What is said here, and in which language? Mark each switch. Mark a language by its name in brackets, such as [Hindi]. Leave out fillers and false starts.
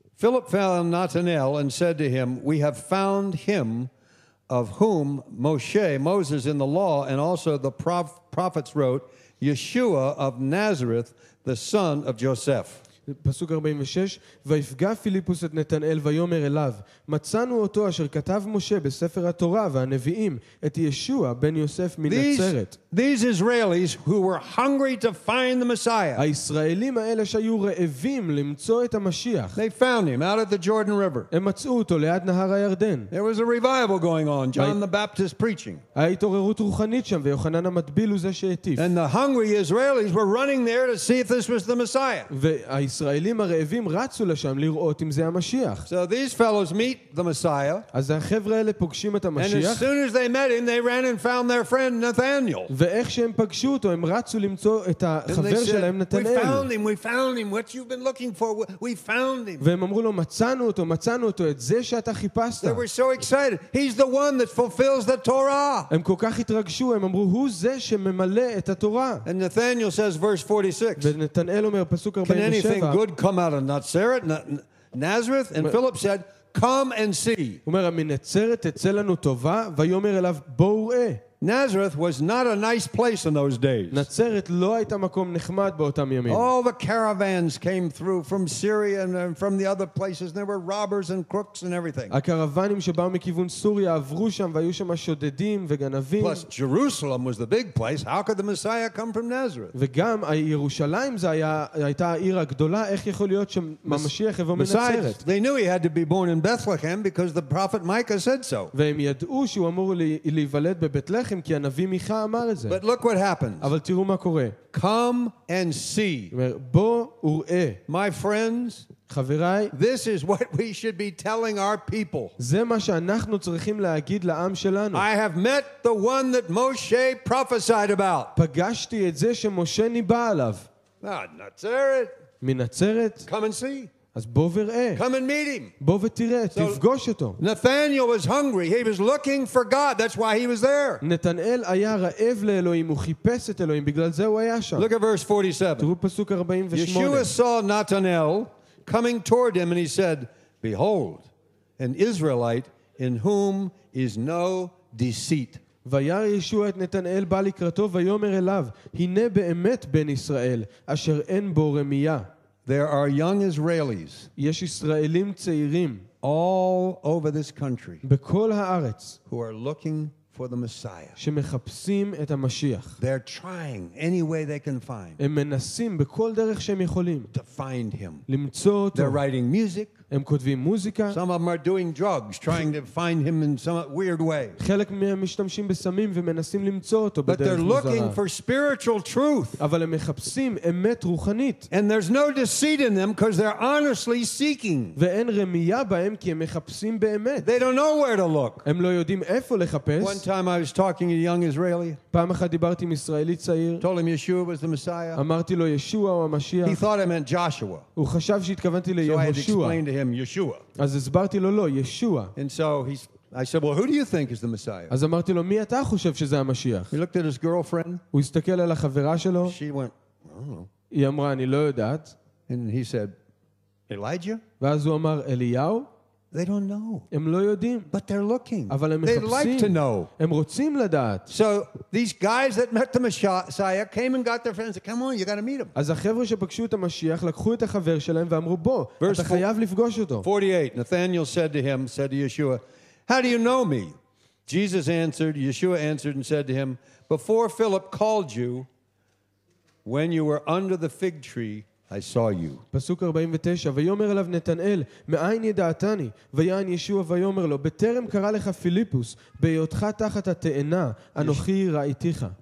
[English] Philip found Nathanael and said to him, "We have found him of whom Moses in the law and also the prophets wrote, Yeshua of Nazareth, the son of Joseph." [Hebrew] פסוק 46. ויפגע פיליפוס את נתנאל ויאמר אליו, "מצאנו אותו אשר כתב משה בספר התורה והנביאים, את ישוע בן יוסף מנצרת." [English] These Israelis who were hungry to find the Messiah. [Hebrew] הישראלים האלה שהיו רעבים למצוא את המשיח. [English] They found him out at the Jordan River. [Hebrew] הם מצאו אותו ליד נהר הירדן. [English] There was a revival going on, John the Baptist preaching. [Hebrew] התעוררות רוחנית שם, ויוחנן המטביל הוא זה שהטיף. [English] And the hungry Israelis were running there to see if this was the Messiah. [Hebrew] והישראלים הרעבים רצו לשם לראות אם זה המשיח. [English] So these fellows meet the Messiah. [Hebrew] אז החבר'ה האלה פוגשים את המשיח. [English] And as soon as they met him, they ran and found their friend Nathanael. [Hebrew] ואיך שהם פגשו אותו, הם רצו למצוא את החבר שלהם נתנאל. [English] We found him, we found him, what you've been looking for, we found him. [Hebrew] והם אמרו לו, מצאנו אותו, את זה שאתה חיפשת. [English] They were so excited. He's the one that fulfills the Torah. [Hebrew] הם כל כך התרגשו, הם אמרו, הוא זה שממלא את התורה. [English] And Nathanael says verse 46. [Hebrew] ונתנאל אומר, פסוק 47. [English] Can anything good come out of Nazareth? And Philip said, come and see. [Hebrew] הוא אומר, מנצרת תצא לנו טובה, ויאמר אליו, בוא וראה. [English] Nazareth was not a nice place in those days. [Hebrew] נצרת לא הייתה מקום נחמד באותם ימים. [English] All the caravans came through from Syria and from the other places. There were robbers and crooks and everything. [Hebrew] הקרוונים שבאו מכיוון סוריה עברו שם והיו שם שודדים וגנבים. [English] Plus Jerusalem was the big place. How could the Messiah come from Nazareth? [Hebrew] וגם ירושלים זה הייתה העיר הגדולה. איך יכול להיות שהמשיח יבוא מנצרת? [English] They knew he had to be born in Bethlehem because the prophet Micah said so. [Hebrew] והם ידעו שהוא אמור להיוולד בבית לכם כי הנביא מיכה אמר את זה. [English] But look what happens. [Hebrew] אבל תראו מה קורה. [English] Come and see. [Hebrew] בוא וראה. [English] My friends, [Hebrew] חבריי, [English] this is what we should be telling our people. [Hebrew] זה מה שאנחנו צריכים להגיד לעם שלנו. [English] I have met the one that Moshe prophesied about. [Hebrew] פגשתי את זה שמשה ניבא עליו. מנצרת. מנצרת. [English] Come and see. [Hebrew] אז בוא וראה. [English] Come and meet him. [Hebrew] בוא ותראה, so תפגוש אותו. [English] Nathanael was hungry. He was looking for God. That's why he was there. [Hebrew] נתנאל היה רעב לאלוהים, הוא חיפש את אלוהים, בגלל זה הוא היה שם. [English] Look at verse 47. [Hebrew] תראו פסוק 48. [English] Yeshua saw Nathanael coming toward him and he said, "Behold, an Israelite in whom is no deceit." [Hebrew] וירא ישוע את נתנאל בא לקראתו ויאמר אליו, "הנה באמת בן ישראל אשר אין בו רמייה." [English] There are young Israelis. [Hebrew] יש ישראלים צעירים [English] all over this country. [Hebrew] בכל הארץ [English] who are looking for the Messiah. [Hebrew] שמחפשים את המשיח. [English] They're trying any way they can find. [Hebrew] הם מנסים בכל דרך שהם יכולים. [English] To find him. [Hebrew] למצוא אותו. [English] They're writing music. [Hebrew] הם כותבים מוזיקה. [English] Some of them are doing drugs, trying to find him in some weird way. [Hebrew] חלק מהם משתמשים בסמים ומנסים למצוא אותו בדרך מוזרה. [English] But they're looking for spiritual truth. [Hebrew] אבל הם מחפשים אמת רוחנית. [English] And there's no deceit in them because they're honestly seeking. [Hebrew] ואין רמייה בהם כי הם מחפשים באמת. [English] They don't know where to look. [Hebrew] הם לא יודעים איפה לחפש. [English] One time I was talking to a young Israeli. [Hebrew] פעם אחת דיברתי עם ישראלי צעיר. [English] Told him Yeshua was the Messiah. [Hebrew] אמרתי לו ישוע הוא המשיח. [English] He thought I meant Joshua. [Hebrew] הוא חשב שהתכוונתי ליהושע. אז הסברתי לו לא, ישוע. [English] And so he's, I said, well, who do you think is the Messiah? [Hebrew] אז אמרתי לו, מי אתה חושב שזה המשיח? [English] He looked at his girlfriend. [Hebrew] הוא הסתכל על החברה שלו. [English] She went, I don't know. [Hebrew] היא אמרה, אני לא יודעת. [English] And he said, Elijah? [Hebrew] ואז הוא אמר, אליהו? [English] They don't know. [Hebrew] הם לא יודעים. [English] But they're looking. [Hebrew] אבל הם מחפשים. [English] They'd like to know. [Hebrew] הם רוצים לדעת. [English] So these guys that met the Messiah came and got their friends. Come on, you got to meet him. [Hebrew] אז החבר'ה שפגשו את המשיח לקחו את החבר שלהם ואמרו בוא, אתה חייב לפגוש אותו. [English] 48, Nathanael said to Yeshua, how do you know me? Jesus answered, Yeshua answered and said to him, before Philip called you, when you were under the fig tree, I saw you. [Hebrew] פסוק 49 ויאמר אליו נתנאל מאין ידעתני ויען ישוע ויאמר לו בטרם קרא לך פיליפוס בהיותך תחת התאנה אנוכי ראיתיך.